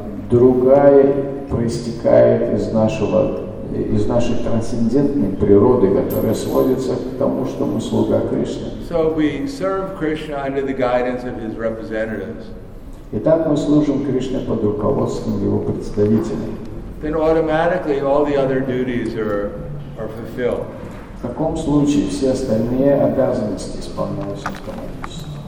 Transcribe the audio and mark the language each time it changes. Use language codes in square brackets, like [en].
[ru] другая проистекает из нашего, из нашей трансцендентной природы, которая сводится к тому, что мы слуга Кришны. [en] So we serve Krishna under the guidance of his representatives. [ru] Итак, мы служим Кришне под руководством его представителей. [en] Then automatically all the other duties are fulfilled. [ru] В таком случае все остальные обязанности исполняются автоматически.